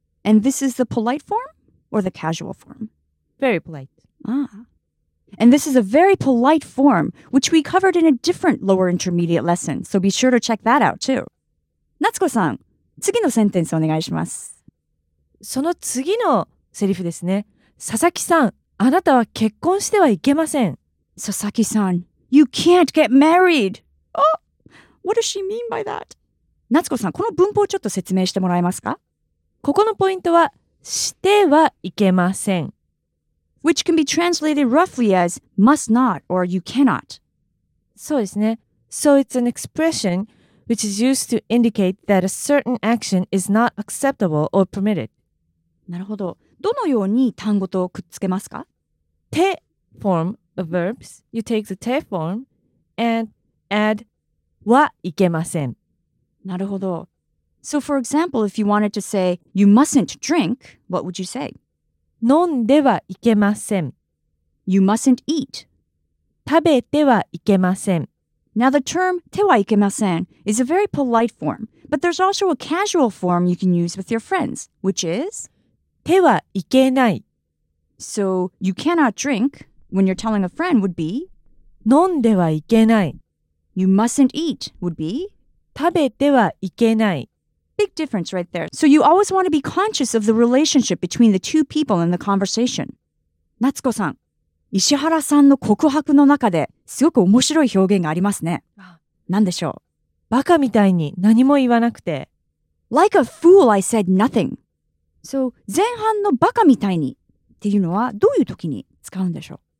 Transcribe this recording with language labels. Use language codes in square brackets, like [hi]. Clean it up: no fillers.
[en] And this is the polite form or the casual form? Very polite. Ah. And this is a very polite form, which we covered in a different lower intermediate lesson. So be sure to check that out too. [ja] 夏子さん、次のセンテンスお願いします。その次のセリフですね。佐々木さん、あなたは結婚してはいけません。 [en] 佐々木さん、You can't get married! Oh! What does she mean by that? [ja] 夏子さん、この文法をちょっと説明してもらえますか？ここのポイントは、してはいけません。 [en] Which can be translated roughly as must not or you cannot. [ja] そうですね。 [en] So it's an expression which is used to indicate that a certain action is not acceptable or permitted. [ja] なるほど。どのように単語とくっつけますか？ [en] て form. Of verbs, you take the te form and add [ja] はいけません。なるほど。 [en] So for example, if you wanted to say you mustn't drink, what would you say? [ja] 飲んではいけません。 [en] You mustn't eat. [ja] 食べてはいけません。 [en] Now the term てはいけません is a very polite form, but there's also a casual form you can use with your friends, which is [ja] てはいけない。 [en] So you cannot drink. When you're telling a friend would be [ja] 飲んではいけない [en] You mustn't eat would be [ja] 食べてはいけない [en] Big difference right there. So you always want to be conscious of the relationship between the two people in the conversation. [ja] 夏子さん、石原さんの告白の中ですごく面白い表現がありますね。何でしょう？バカみたいに何も言わなくて [en] Like a fool, I said nothing. [ja] So 前半のバカみたいにっていうのはどういう時に使うんでしょう。